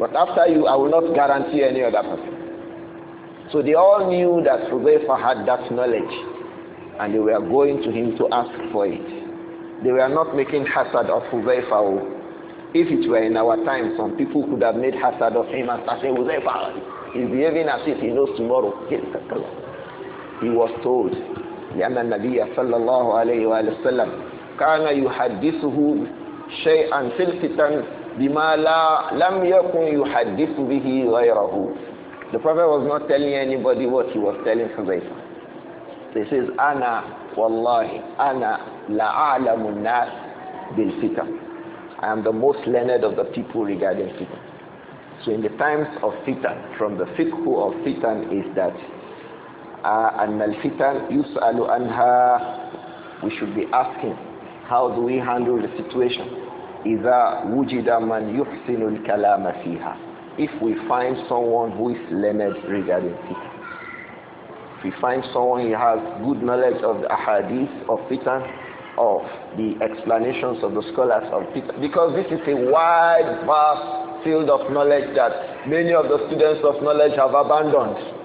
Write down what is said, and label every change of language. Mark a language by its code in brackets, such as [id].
[en] But after you, I will not guarantee any other person. So they all knew that Hudhayfa had that knowledge. And they were going to him to ask for it. They were not making hasad of Hudhayfa. If it were in our time, some people could have made hasad of him and say, Hudhayfa, he's behaving as if he knows tomorrow. He was told, [ar] لِأَنَّ النَّبِيَّ صَلَّى اللَّهُ عَلَيْهِ وَآلِهِ وَسَلَّمَ كَانَ يُحَدِّثُهُ شَيْئًا فِي الْفِتَنِ بِمَا لَمْ يَكُنْ يُحَدِّثُ بِهِ غَيْرَهُ. [en] The Prophet was not telling anybody what he was telling Hudhayfa. He says, [ar] أَنَا وَاللَّهِ أَنَا لَأَعْلَمُ النَّاسِ بِالْفِتَنِ. [en] I am the most learned of the people regarding fitan. So in the times of fitan, from the fiqh of fitan is that [ar] أن الفتن يسأل عنها. [en] We should be asking, how do we handle the situation? [ar] إذا وجد من يحسن الكلام فيها. [en] If we find someone who is learned regarding fitan, if we find someone who has good knowledge of the ahadith of fitan, of the explanations of the scholars of Peter, because this is a wide, vast field of knowledge that many of the students of knowledge have abandoned.